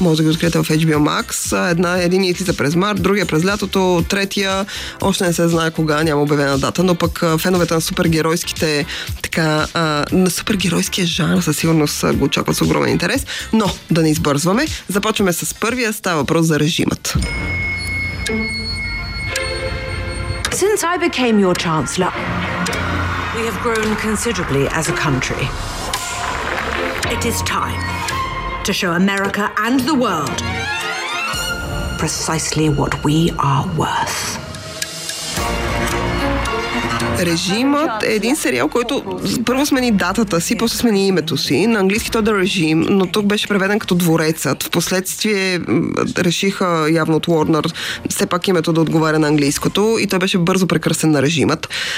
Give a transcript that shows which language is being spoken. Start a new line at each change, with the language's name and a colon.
Bulgarian: Може да ги откриете в HBO Max. Един излиза през март, другия през лятото, третия още не се знае кога, няма обявена дата, но пък феновете на супергеройските на супергеройския жанр със сигурност го очакват с огромен интерес. Но да не избързваме. Започваме с първия, става въпрос за режимът.
English: Since I became your chancellor, we have grown considerably as a country. It is time to show America and the world precisely what we are worth.
Bulgarian: Режимът е един сериал, който първо смени датата си, после смени името си. На английски той е The Regime, но тук беше преведен като Дворецът. Впоследствие решиха явно от Warner все пак името да отговаря на английското и той беше бързо прекръстен на Режимът.